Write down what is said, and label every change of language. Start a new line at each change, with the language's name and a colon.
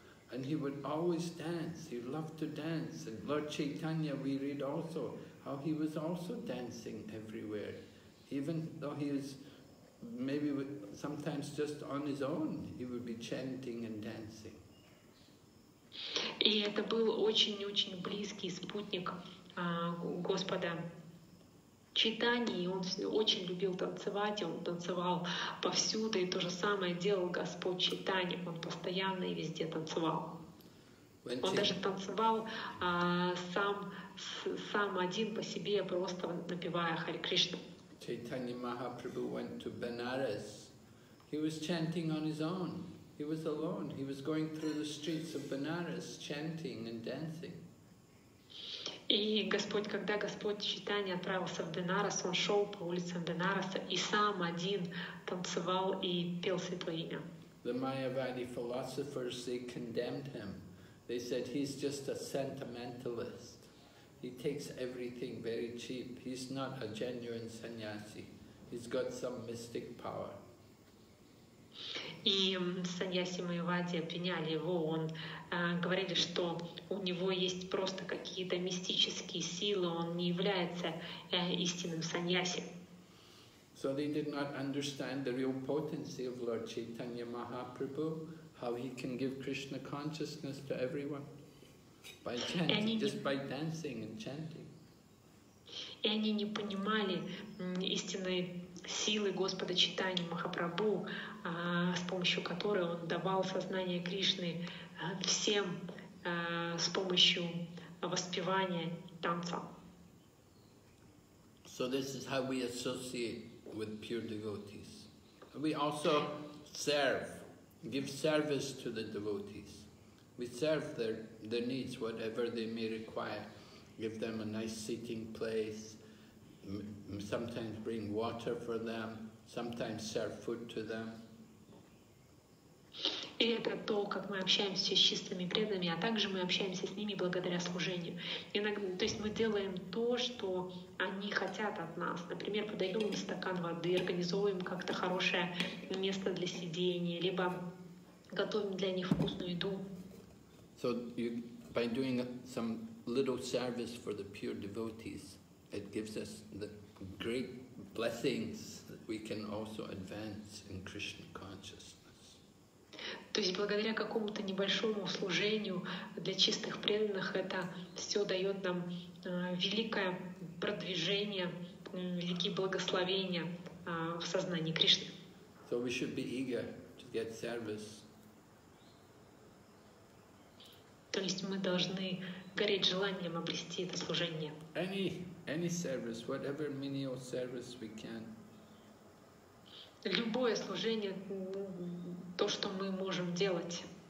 English: And he would always dance, he loved to dance. And Lord Chaitanya, we read also how he was also dancing everywhere, even though he was maybe sometimes just on his own, he would be chanting and dancing.
Russian: И это был очень-очень близкий спутник Господа Чайтани, и он очень любил танцевать, и он танцевал повсюду, и то же самое делал Господь Чайтани, он постоянно и везде танцевал. Он даже танцевал сам один по себе, просто напевая Хари Кришна.
English: Чайтани Махапрабху went to Benares. He was chanting on his own. He was alone. He was going through the streets of Benares, chanting and dancing.
Russian: И Господь, когда Господь Чайтани отправился в Бенарес, он шел по улицам Бенареса и сам один танцевал и пел Святое Имя.
English: The Mayavadi philosophers, they condemned him. They said he's just a sentimentalist. He takes everything very cheap. He's not a genuine sannyasi. He's got some mystic power.
Russian: И саньяси Майавади обвиняли его, он говорили, что у него есть просто какие-то мистические силы, он не является истинным саньяси.
English: So they did not understand the real potency of Lord Chaitanya Mahaprabhu, how he can give Krishna consciousness to everyone by chanting, just by dancing and chanting.
Russian: И они не понимали истинной силы Господа Чайтани Махапрабху, с помощью которой он давал сознание Кришны всем с помощью воспевания танца.
English: So this is how we associate with pure devotees. We also serve, give service to the devotees. We serve their needs, whatever they may require. Give them a nice seating place, sometimes bring water for them, sometimes serve food to them.
Russian: И это то, как мы общаемся с чистыми преданными, а также мы общаемся с ними благодаря служению. Иногда, то есть мы делаем то, что они хотят от нас. Например, подаем им стакан воды, организовываем как-то хорошее место для сидения, либо готовим для них вкусную еду.
English: So you, by doing some little service for the pure devotees, it gives us the great blessings that we can also advance in Krishna consciousness.
Russian: То есть благодаря какому-то небольшому служению для чистых преданных это все дает нам великое продвижение, великие благословения в сознании Кришны.
English: So we should be eager to get service.
Russian: То есть мы должны гореть желанием обрести это служение.
English: Any service, whatever menial service we can.
Russian: Любое служение, то, что мы можем делать.